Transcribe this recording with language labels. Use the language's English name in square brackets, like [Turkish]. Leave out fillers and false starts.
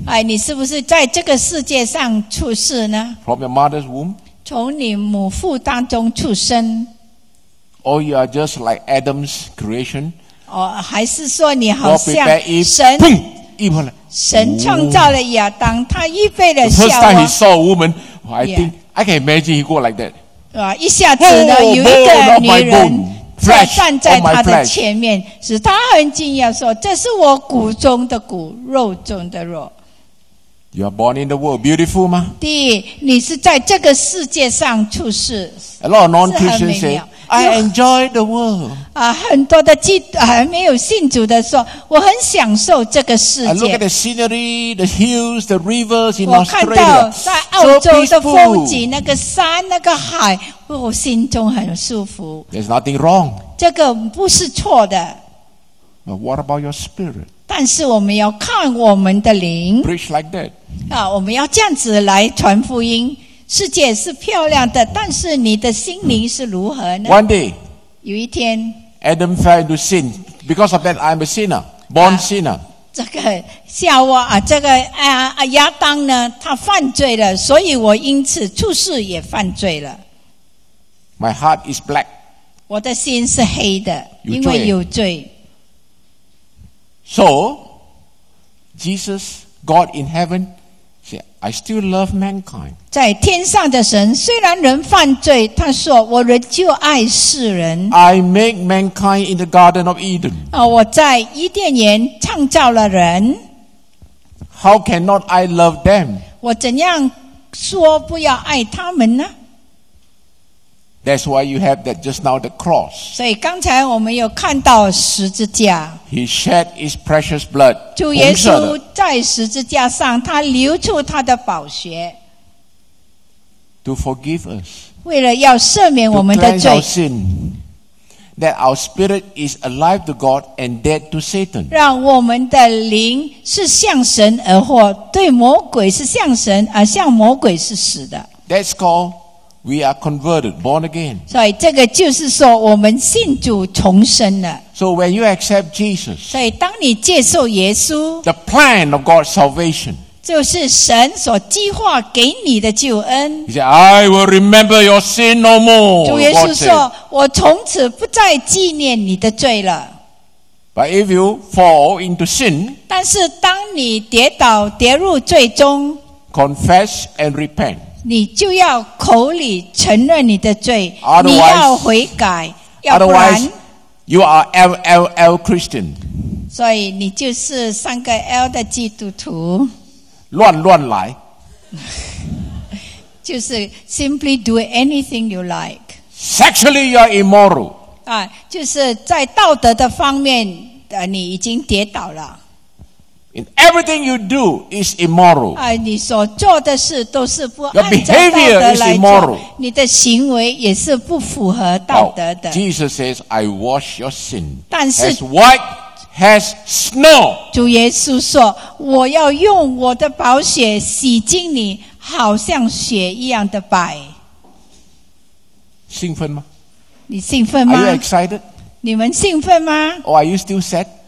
[Chinese] 你是不是在这个世界上出世呢 [English] From your mother's womb? [Chinese] 从你母腹当中出生 [English] Or you are just like Adam's creation? [Chinese] 还是说你好像神 [English] boom, evil like [Chinese] 神创造了亚当，他预备了夏娃。 [English] First time he saw a woman, I think I can imagine he go like that. [Chinese] 一下子呢，有一个女人在站在他的前面，使他很惊讶，说：“这是我骨中的骨，肉中的肉。” [English] You are born in the world, beautiful 吗？ [Chinese] 第一，你是在这个世界上出世。 [English] A lot of non-Christians say. I enjoy the world. [Chinese] 很多的基督还没有信主的说，我很享受这个世界。 [English] I look at the scenery, the hills, the rivers in Australia. [Chinese] 我看到在澳洲的风景，那个山，那个海，我心中很舒服。 [English] There's nothing wrong. [Chinese] 这个不是错的。 [English] But what about your spirit? [Chinese] 但是我们要看我们的灵。 [English] Preach like that. [Chinese] 我们要这样子来传福音。世界是漂亮的，但是你的心灵是如何呢 [English] ？One day， [Chinese] 有一天 [English] ，Adam fell into sin. Because of that, I'm a sinner, born sinner. [Chinese] 这个夏娃亚当呢，他犯罪了，所以我因此出世也犯罪了。 [English] My heart is black. [Chinese] 我的心是黑的，因为有罪。 [English] So, Jesus, God in heaven. I still love mankind. [Chinese] 在天上的神，虽然人犯罪，他说我仍旧爱世人。 [English] I make mankind in the Garden of Eden. [Chinese] 我在伊甸园创造了人。 [English] How cannot I love them? [Chinese] 我怎样说不要爱他们呢？ [English] That's why you have that just now the cross. [Chinese] 所以刚才我们有看到十字架。 [English] He shed his precious blood. [Chinese] 主耶稣在十字架上，他流出他的宝血。 [English] To forgive us. [Chinese] 为了要赦免我们的罪。 [English] To cleanse our sin. that our spirit is alive to God and dead to Satan. [Chinese] 让我们的灵是向神而活，对魔鬼是向神，而向魔鬼是死的。 [English] That's called we are converted, born again. [Chinese] 所以这个就是说我们信主重生了。 [English] So when you accept Jesus, [Chinese] 所以当你接受耶稣 [English] the plan of God's salvation. [Chinese] 就是神所计划给你的救恩。 [English] He said, I will remember your sin no more. [Chinese] 主耶稣说，我从此不再纪念你的罪了。 [English] But if you fall into sin, [Chinese] 但是当你跌倒，跌入罪中， [English] confess and repent, [Chinese] 你就要口里承认你的罪，你要悔改，要不然， [English] otherwise, you are LLL Christian. [Chinese] 所以你就是三个 L 的基督徒。乱乱来就是 [English] simply do anything you like. Sexually you're immoral. [Chinese] 啊，就是在道德的方面，你已经跌倒了。 [English] In everything you do is immoral. [Chinese] 啊，你所做的事都是不按照道德来做。 [English] Your behavior is immoral. [Chinese] 你的行为也是不符合道德的。 [English] Oh, Jesus says, I wash your sin. [Chinese] 但是 [English] as white has snow. [Chinese] 主耶稣说，我要用我的宝血洗净你，好像雪一样的白。兴奋吗？你兴奋吗？ [English] Are you excited? [Chinese] 你们兴奋吗？ [English] Or are you still sad?